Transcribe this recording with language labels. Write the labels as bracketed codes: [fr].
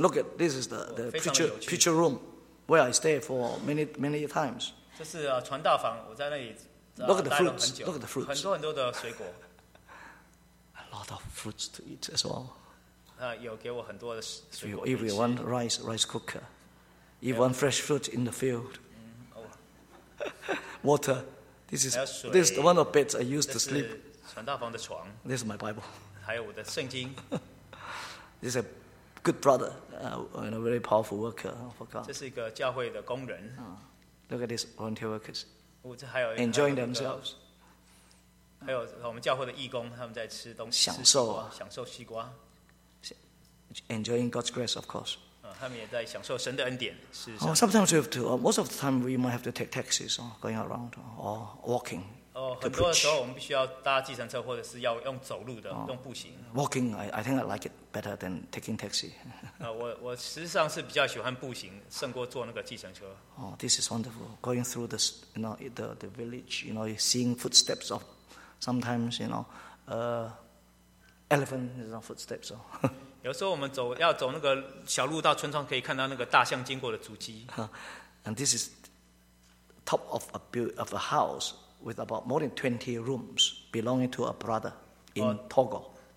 [en] Look at this is the preacher room where I stay for many times. [zh] 这是传道房，我在那里待了很久。 [en] Look at the fruits. Look at the fruits. [zh] 很多很多的水果。 [en] A lot of fruits to eat as well. [zh] 有给我很多的水果。 [en] If you want rice cooker, if you want fresh fruit in the field, water. This is the one of beds I used to sleep. [zh] 传道房的床。 [en] This is my Bible. [zh] 还有我的圣经。 [en] This is a good brother, and a very powerful worker for God. [zh] 这是一个教会的工人。 [en] Look at these volunteer workers. [zh] 这还有 [en] enjoying themselves. [zh] 还有我们教会的义工，他们在吃东西，享受西瓜 [en] ，enjoying God's grace, of course. [zh] 他们也在享受神的恩典。 [en] Sometimes we have to, most of the time we might have to take taxis, going around or walking. [zh] 很多的时候我们必须要搭计程车，或者是要用走路的，用步行。 [en] Walking, I think I like it better than taking taxi. [zh] 我实际上是比较喜欢步行，胜过坐那个计程车。 [en] This is wonderful. Going through this, you know, the village, you know, seeing footsteps of. Sometimes, you know, elephant is on footsteps. So, [zh] 有时候我们要走那个小路到村庄，可以看到那个大象经过的足迹。 [en] And this is top of a house with about more than 20 rooms belonging to a brother in Togo.